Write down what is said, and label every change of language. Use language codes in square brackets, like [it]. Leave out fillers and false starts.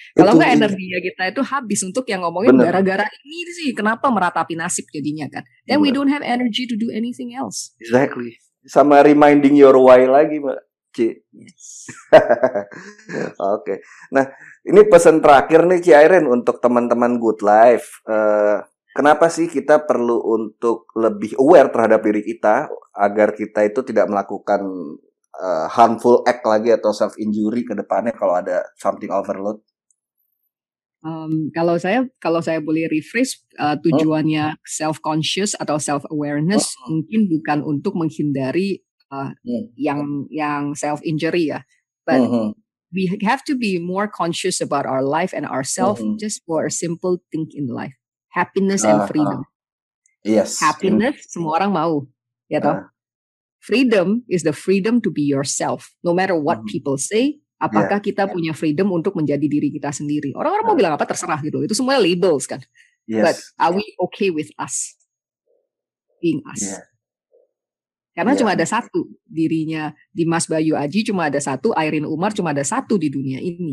[id] Kalau nggak energinya kita itu habis untuk yang ngomongin gara-gara ini sih kenapa meratapi nasib jadinya kan? [en] Then we don't have energy to do anything else. Exactly. [id] Sama [en] reminding your why [id] lagi, Mbak Ci. [en] Yes. Oke. Okay. [id] Nah, ini pesan terakhir nih Ci Airen untuk teman-teman Good Life. Kenapa sih kita perlu untuk lebih aware terhadap diri kita agar kita itu tidak melakukan [en] harmful act [id] lagi atau self injury ke depannya kalau ada [en] something overload. [id] Kalau saya boleh rephrase, tujuannya self conscious atau self awareness mungkin bukan untuk menghindari yang self injury ya, [en] but we have to be more conscious about our life and ourselves just for a simple thing in life, happiness and freedom. Yes. [id] Happiness semua orang mau, ya toh. [en] Freedom is the freedom to be yourself. No matter what people say, [id] apakah kita punya freedom untuk menjadi diri kita sendiri. Orang-orang mau bilang apa terserah gitu. Itu semuanya labels kan. [en] Yes. But are we okay with us? Being us. Yeah. [id] Karena cuma ada satu dirinya. Dimas Bayu Aji cuma ada satu. Airin Umar cuma ada satu di dunia ini.